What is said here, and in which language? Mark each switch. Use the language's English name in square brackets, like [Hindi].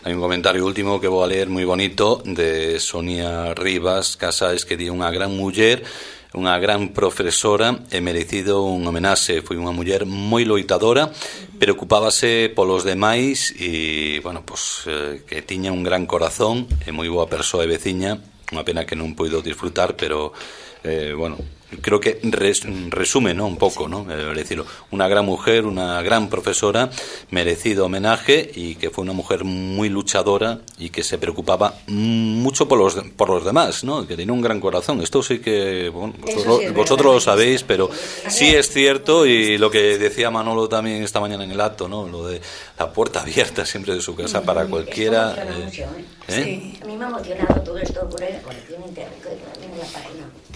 [Galician] Hai un comentario último que vou a ler, moi bonito, de Sonia Rivas Casais, que di: unha gran muller, unha gran profesora, e merecido un homenaxe. Foi unha muller moi loitadora, preocupábase polos demais e, bueno, pues, que tiña un gran corazón e moi boa persoa e veciña. Unha pena que non puido disfrutar, pero, bueno, creo que resume, ¿no?, un pouco, ¿no?, decirlo. [Spanish] Unha gran mujer, unha gran profesora, merecido homenaje, [Galician] e que foi unha [Spanish] mujer moi luchadora e que se preocupaba mucho por los demás, ¿no?, que tenía un gran corazón. Esto sí que, bueno, vosotros lo sabéis, pero sí es cierto, y lo que decía Manolo también esta mañana en el acto, ¿no?, lo de la puerta abierta siempre de su casa para cualquiera. Sí, a mí me ha emocionado todo esto por él, porque tiene internet, tiene la página.